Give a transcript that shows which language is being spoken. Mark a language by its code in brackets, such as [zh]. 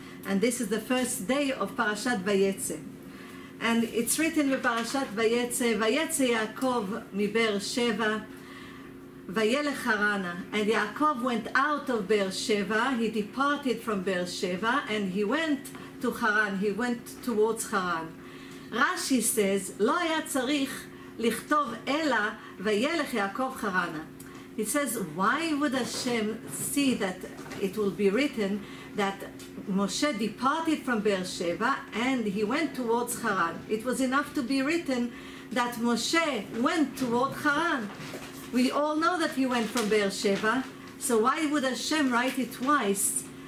[en] And this is the first day of Parashat Vayetze. And it's written in Parashat Vayetze, [he] Vayetze Yaakov Miber Sheva, וילך הרנה. [en] And Yaakov went out of Beersheba, he departed from Beersheba, and he went to Haran, he went towards Haran. [he] Rashi says, לא היה צריך לכתוב אלא וילך יעקב חרנה. [en] He says, why would Hashem see that it will be written that Moshe departed from Beersheba and he went towards Haran? It was enough to be written that Moshe went toward Haran. We all know that he went from Be'er Sheva, so why would Hashem write it twice?